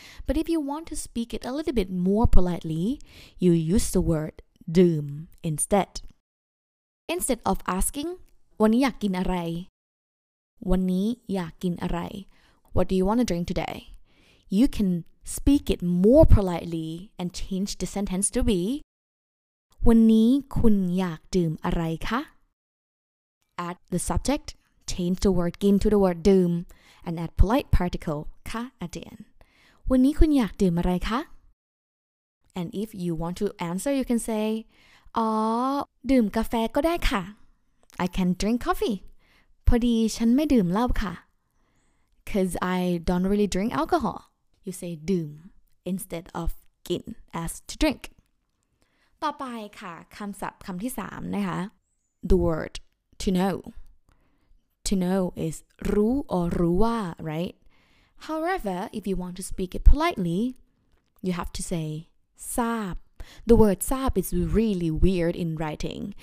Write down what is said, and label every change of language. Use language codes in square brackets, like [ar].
[en] But if you want to speak it a little bit more politely, you use the word doom instead. [th] Instead of asking, วันนี้อยากกินอะไร? วันนี้อยากกินอะไร? [en] What do you want to drink today? You can speak it more politely and change the sentence to be [th] วันนี้คุณอยากดื่มอะไรคะ [en] Add the subject, change the word gin to the word doom, and add polite particle ka at the end. [th] วันนี้คุณอยากดื่มอะไรคะ [en] And if you want to answer, you can say [th] อ๋อดื่มกาแฟก็ได้ค่ะ [en] I can drink coffee. [th] พอดีฉันไม่ดื่มเหล้าค่ะ [en] Cause I don't really drink alcohol. You say ดื่ม instead of กิน as to drink. [th] ต่อไปค่ะคำศัพท์คำที่3นะคะ [en] The word to know. To know is รู้ or รู้ว่า right? However, if you want to speak it politely, you have to say ทราบ The word ทราบ is really weird in writing.